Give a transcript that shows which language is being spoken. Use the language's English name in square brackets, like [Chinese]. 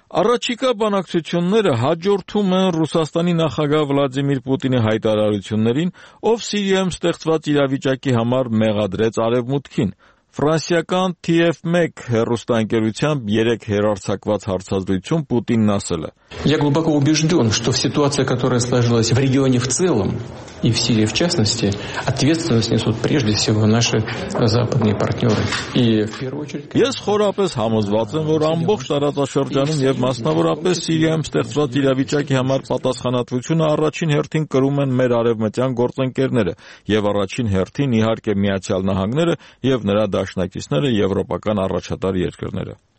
[Armenian] Առաջիկա բանակցությունները հաջորդում են Ռուսաստանի նախագահ Վլադիմիր Պուտինի հայտարարություններին, ով Սիրիայում ստեղծված իրավիճակի համար մեղադրեց Արևմուտքին։ Ֆրանսիական TF1 հեռուստաընկերությամբ 3 հերարցակված հարցազրույցում Պուտինն ասել է. [Russian] Я глубоко убежден, что в ситуации, которая сложилась в регионе в целом и в Сирии в частности, ответственность несут прежде всего наши западные партнеры. И в первую очередь. [Armenian] Ես խորապես համոզված եմ, որ ամբողջ տարածաշրջանում եւ մասնավորապես Սիրիայում ստեղծված իրավիճակի համար պատասխանատվությունը առաջին հերթին կրում են մեր արևմտյան գործընկերները եւ առաջին հերթին իհարկե Միացյալ Նահանգները եւ նրա դաշնակիցները եվրոպական առաջատար երկրները։